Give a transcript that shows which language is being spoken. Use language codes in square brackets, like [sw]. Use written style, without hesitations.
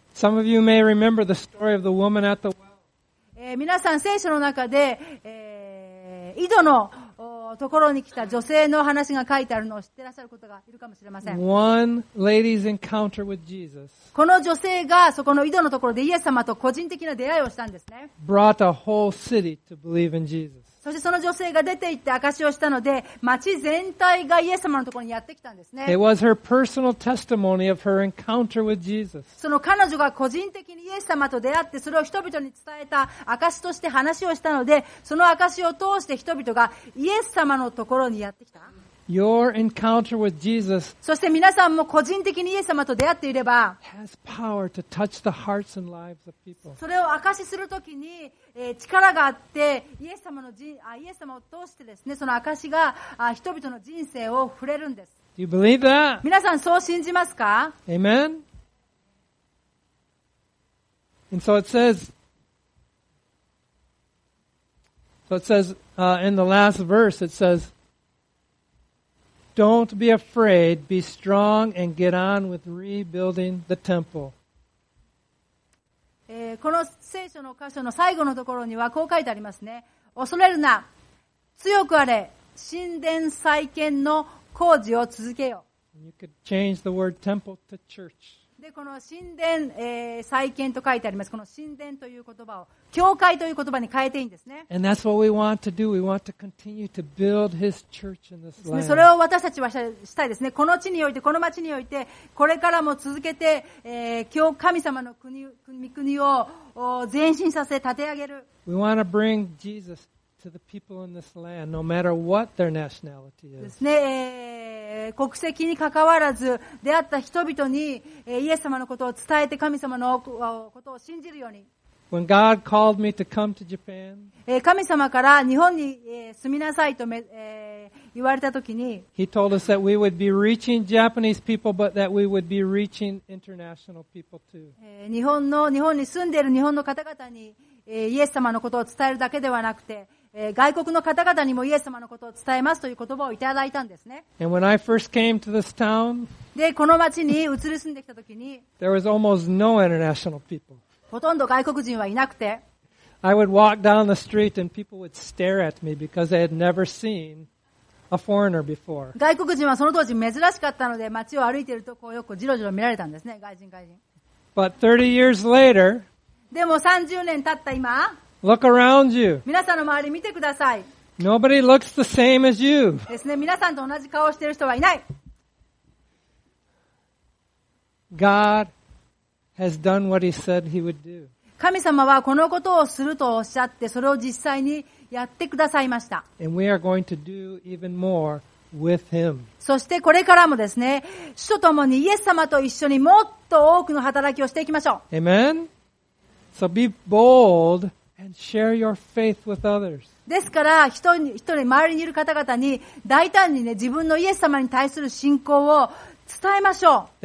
[en] Some of you may remember the story of the woman at the well. [ja] 皆さん、聖書の中で、井戸のところに来た女性の話が書いてあるのを知ってらっしゃることがいるかもしれません。 [en] One lady's encounter with Jesus. [ja] この女性がそこの井戸のところでイエス様と個人的な出会いをしたんですね。 [en] Brought a whole city to believe in Jesus. [ja] そしてその女性が出て行って証をしたので、町全体がイエス様のところにやってきたんですね。 [en] It was her personal testimony of her encounter with Jesus. [ja] その彼女が個人的にイエス様と出会って、それを人々に伝えた証として話をしたので、その証を通して人々がイエス様のところにやってきた。 [en] Your encounter with Jesus. [ja] そして皆さんも個人的にイエス様と出会っていれば、 [en] has power to touch the hearts and lives of people. [ja] それを証しするときに、力があってイエス様を通してですね、その証が人々の人生を触れるんです。 [en] Do you believe that? [ja] 皆さんそう信じますか? [en] Amen. And so it says, So it says, in the last verse, it says, don't be afraid, be strong, and get on with rebuilding the temple. [ja] この聖書の箇所の最後のところにはこう書いてありますね。恐れるな。強くあれ。神殿再建の工事を続けよ。 [en] You could change the word temple to church. [ja] で、この神殿、再建と書いてあります。この神殿という言葉を教会という言葉に変えていいんですね。 [en] And that's what we want to do. We want to continue to build His church in this land. [ja] それを私たちはしたいですね。この地において、この町において、これからも続けて、神様の国、御国を前進させ、立て上げる。 [en] We want to bring Jesus to the people in this land, no matter what their nationality is. [ja] ですね。国籍に関わらず出会った人々にイエス様のことを伝えて神様のことを信じるように。 [en] When God called me to come to Japan, [ja] 神様から日本に住みなさいと言われたときに、 [en] He told us that we would be reaching Japanese people, but that we would be reaching international people too. [ja] 日本に住んでいる日本の方々にイエス様のことを伝えるだけではなくて、外国の方々にもイエス様のことを伝えますという言葉をいただいたんですね。 [en] And when I first came to this town, [ja] で、この町に移り住んできたときに、 [en] There was almost no international people. [ja] ほとんど外国人はいなくて、 [en] I would walk down the street and people would stare at me because they had never seen a foreigner before. [ja] 外国人はその当時珍しかったので、町を歩いているとこうよくじろじろ見られたんですね、外人外人。 [en] But 30 years later, [ja] でも30年経った今、 [en] Look around you. [ja] 皆さんの周り見てください。 [en] Nobody looks the same as you. [ja] ですね。皆さんと同じ顔をしている人はいない。 [en] God has done what He said He would do. [ja] 神様はこのことをするとおっしゃって、それを実際にやってくださいました。 [en] And we are going to do even more with Him. [ja] そしてこれからもですね、主とともにイエス様と一緒にもっと多くの働きをしていきましょう。 [en] Amen. So be bold. And share your faith with others. [ja] ですから人に周りにいる方々に大胆にね自分のイエス様に対する信仰を伝えましょう。